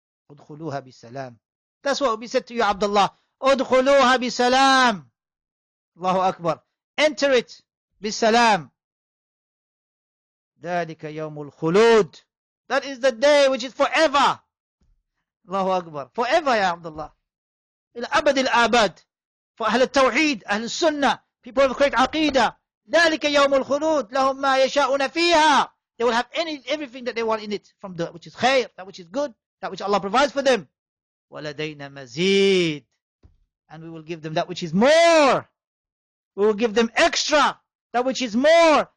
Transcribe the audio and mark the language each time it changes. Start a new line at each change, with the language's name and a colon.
Arabic: ادخلوها بسلام.
English: That's what we said to you, Abdullah.
Arabic: ادخلوها بسلام. الله أكبر.
English: Enter it بسلام.
Arabic: ذلك يوم الخلود.
English: That is the day which is forever.
Arabic: الله أكبر.
English: Forever, يا عبد الله.
Arabic: إلى أبد الآباد.
English: For أهل التوحيد, أهل السنة. People of great عقيدة.
Arabic: ذلك يوم الخلود. لهم ما يشاءون فيها.
English: They will have everything that they want in it. From the, which is خير, that which is good, that which Allah provides for them.
Arabic: ولدينا مزيد.
English: And we will give them that which is more. We will give them extra. That which is more.